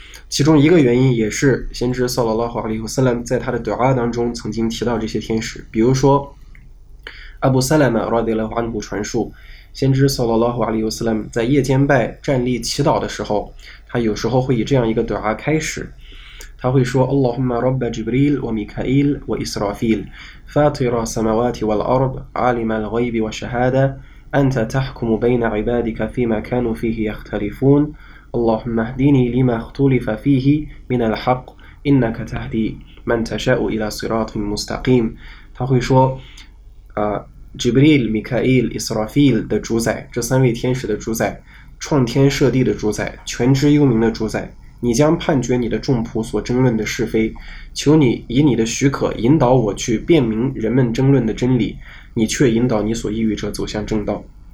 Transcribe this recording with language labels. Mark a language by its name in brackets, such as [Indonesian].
[Chinese] 其中一个原因也是先知萨拉拉哈利和萨拉姆在他的 Dua 当中曾经提到这些天使，比如说阿布萨拉玛拉迪拉哈安古传述，先知萨拉拉哈利和萨拉姆在夜间拜站立祈祷的时候，他有时候会以这样一个 Dua 开始，他会说 [Arabic] Allahumma rabba Jibril wa Mikail wa Israfil fatira samawati wal ard alima al-ghaybi wa shahada أنت تحكم بين عبادك فيما كانوا فيه يختلفون، اللهم اهدني لما اختلف فيه من الحق، إنك تهدي من تشاء إلى صراط مستقيم. [Chinese] 他会说，Jibril、Mikael、Israfil 的主宰，这三位天使的主宰，创天设地的主宰，全知幽冥的主宰，你将判决你的众仆所争论的是非，求你以你的许可引导我去辨明人们争论的真理，你却引导你所抑郁者走向正道。